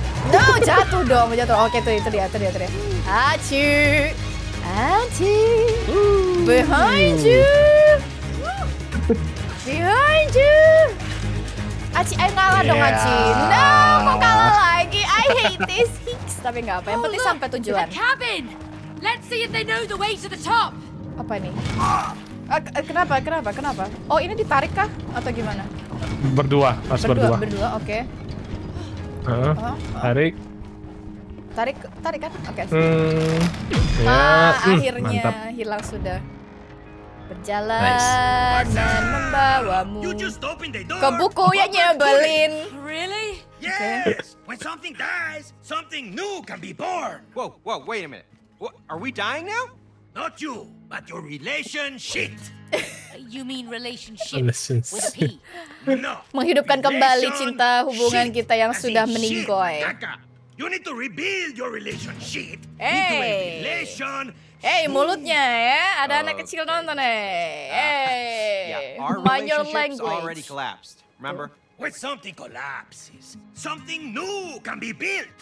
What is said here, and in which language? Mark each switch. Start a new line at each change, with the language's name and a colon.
Indonesian: No, jatuh dong, jatuh. Oke, tuh itu dia, tuh dia, tuh dia. Achu.
English: Aci, behind you, behind you.
Indonesian: Aci, ayo ngalah dong Aci. No, mau kalah lagi.
English: I hate this hicks.
Indonesian: Tapi nggak apa. Yang penting oh, sampai tujuan.
English: The cabin. Let's see if they know the way to the top.
Indonesian: Apa ini? Kenapa? Kenapa? Kenapa? Oh, ini ditarik kah? Atau gimana? Berdua, harus berdua. Berdua, oke. Okay. Tarik. Tarik kan? Oke. Okay. Ya, akhirnya mantap. Hilang sudah. Berjalan
English: nice.
Indonesian: Dan membawamu ke buku yang nyebelin.
English: Really? Yes. Okay. When something dies, something new can be born. Whoa, wait a minute. What, are we dying now? Not you, but your relationship. You mean relationship with a P? No.
Indonesian: Menghidupkan kembali cinta hubungan shit. Kita yang sudah meninggoy.
English: You need to rebuild your relationship. Hey. Into a relation.
Indonesian: Hey, mulutnya ya. Ada anak kecil nonton ya.
English: Mind your language. Already collapsed. Remember? When something collapses, something new can be built.